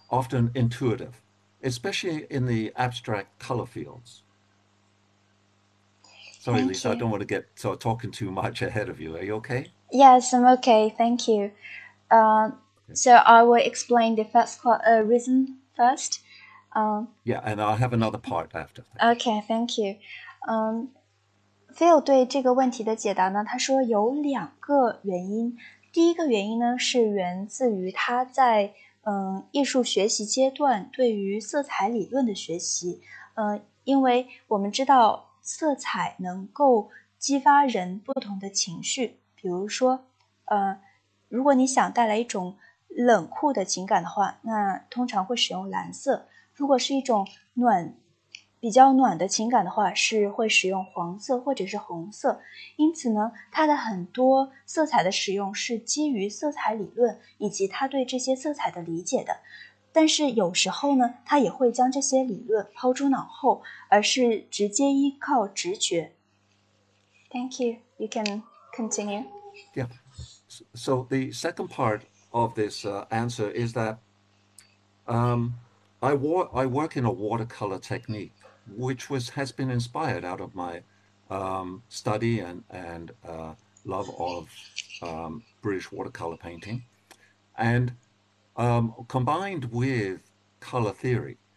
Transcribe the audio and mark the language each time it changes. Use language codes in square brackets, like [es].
[en] often intuitive, especially in the abstract color fields. Sorry, Thank Lisa, you. I don't want to get so talking too much ahead of you. Are you okay? Yes, I'm okay. Thank you. So I will explain the first reason first. Yeah, and I'll have another part after. Okay, thank you. [zh] Phil 对这个问题的解答呢，他说有两个原因。第一个原因呢，是源自于他在艺术学习阶段对于色彩理论的学习，因为我们知道色彩能够激发人不同的情绪，比如说，如果你想带来一种冷酷的情感的话，那通常会使用蓝色；如果是一种比较暖的情感的话，是会使用黄色或者是红色。因此呢，它的很多色彩的使用是基于色彩理论以及他对这些色彩的理解的。但是有时候呢，他也会将这些理论抛诸脑后，而是直接依靠直觉。 [en] Thank you. You can continue. Yeah. So the second part of this answer is that I work in a watercolor technique, which has been inspired out of my study and love of British watercolor painting, and combined with color theory.